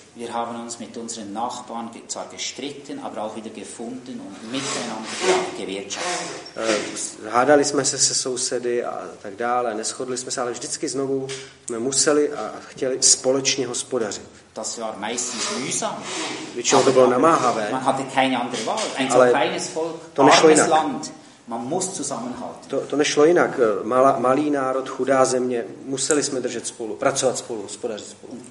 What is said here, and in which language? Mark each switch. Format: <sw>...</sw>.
<de>Wir haben uns mit unseren Nachbarn zwar gestritten, aber auch wieder gefunden und miteinander gewirtschaftet.</de> <cs>Hádali jsme se sousedy a tak dále, neschodli jsme se, ale vždycky znovu jsme museli a chtěli společně hospodařit.</cs> <de>Das war meistens mühsam.</de> <cs>Většinou to bylo namáhavé.</cs> <de>Man hatte keine andere Wahl. Ein so kleines Volk, armes Land. Man muss zusammenhalten.</de> <cs>To nešlo jinak. Malý národ, chudá země, museli jsme držet spolu, pracovat spolu, hospodařit spolu.</cs>